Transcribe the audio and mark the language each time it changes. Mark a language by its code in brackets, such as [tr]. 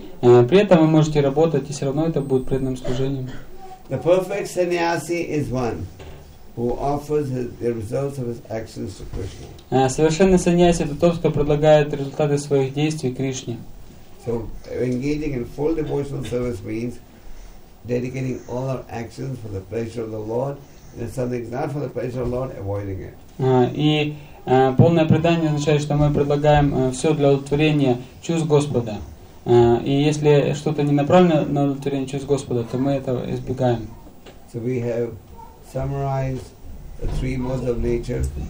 [ru] При этом вы можете работать, и все равно это будет преданным служением. [en] The perfect sannyasi is one who offers the results of his actions to Krishna. [ru] Совершенный саньяси это тот, кто предлагает результаты своих действий Кришне. [en] So engaging in full devotional service means dedicating all our actions for the pleasure of the Lord, and if something's not for the pleasure of the Lord, avoiding it. [ru] Полное предание означает, что мы предлагаем все для удовлетворения чувств Господа. И если что-то не направлено на удовлетворение чувств Господа, то мы этого избегаем. [en] So we have summarized the three modes of nature.